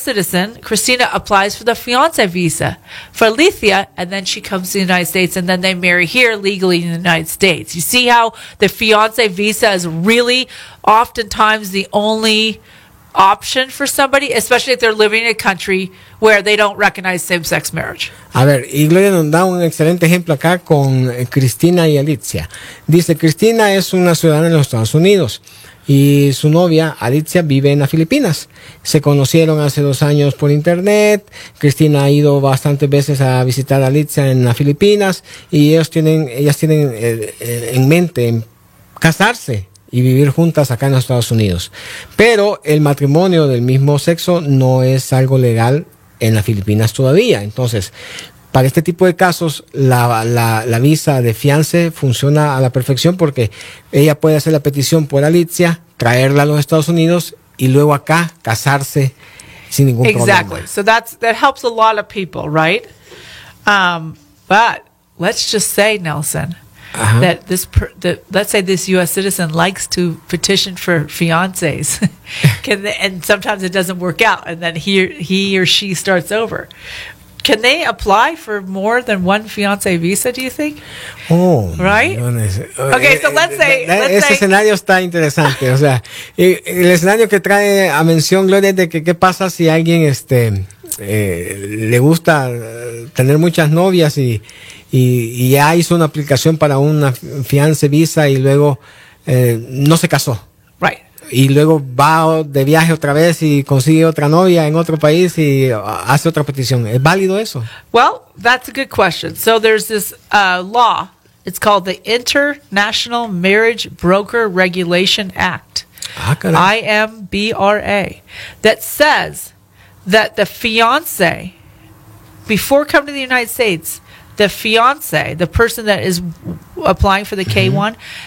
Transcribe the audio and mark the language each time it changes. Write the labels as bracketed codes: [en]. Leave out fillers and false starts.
[en] citizen, Christina, applies for the fiancé visa for Alethea, and then she comes to the United States, and then they marry here legally in the United States. You see how the fiancé visa is really oftentimes the only option for somebody, especially if they're living in a country where they don't recognize same-sex marriage. [es] A ver, y Gloria nos da un excelente ejemplo acá con Cristina y Alicia. Dice, Cristina es una ciudadana de los Estados Unidos y su novia, Alicia, vive en las Filipinas. Se conocieron hace 2 años por internet. Cristina ha ido bastantes veces a visitar a Alicia en las Filipinas y ellas tienen en mente casarse y vivir juntas acá en los Estados Unidos. Pero el matrimonio del mismo sexo no es algo legal en las Filipinas todavía. Entonces, para este tipo de casos, la visa de fiancé funciona a la perfección porque ella puede hacer la petición por Alicia, traerla a los Estados Unidos y luego acá casarse sin ningún problema. [en] Exactly. So that helps a lot of people, right? But let's just say, Nelson, uh-huh. That let's say this U.S. citizen likes to petition for fiancés, and sometimes it doesn't work out, and then he or she starts over. Can they apply for more than one fiancé visa, do you think? Oh. Right? Okay, so [es] ese escenario está interesante. O sea, el escenario que trae a mención, Gloria, de que qué pasa si alguien le gusta tener muchas novias y ya hizo una aplicación para una fiancé visa y luego no se casó. [en] Right. [es] Y luego va de viaje otra vez y consigue otra novia en otro país y hace otra petición. ¿Es válido eso? [en] Well, that's a good question. So there's this law. It's called the International Marriage Broker Regulation Act. IMBRA. That says that the fiancé, before coming to the United States, the fiancé, the person that is applying for the K-1, mm-hmm.